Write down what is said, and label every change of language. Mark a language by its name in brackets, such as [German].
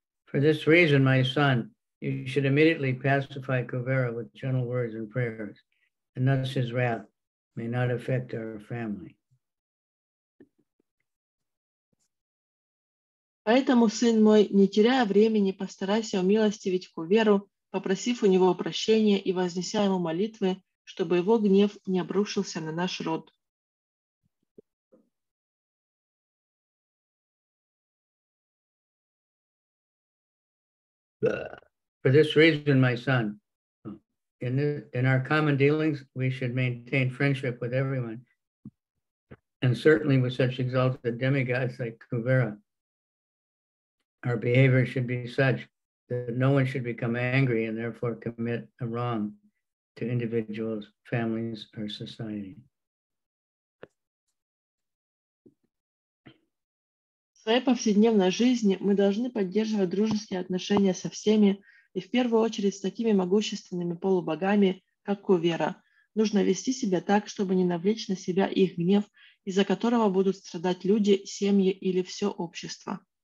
[English] For this reason, my son, you should immediately pacify Kuvera with gentle words and prayers, and thus his wrath may not affect our family. [Russian] Поэтому, сын мой, не теряя времени, постарайся умилостивить Куверу, попросив у него прощения и вознеся ему молитвы, чтобы его гнев не обрушился на наш род. [English] For this reason, my son, in our common dealings, we should maintain friendship with everyone, and certainly with such exalted demigods like Kuvera. Our behavior should be such that no one should become angry and therefore commit a wrong to individuals, families, or society. [Russian] В своей повседневной жизни мы должны поддерживать дружеские отношения со всеми и в первую очередь с такими могущественными полубогами, как Кувера. нужно вести себя так, чтобы не навлечь на себя их гнев, из-за которого будут страдать люди, семьи или все общество.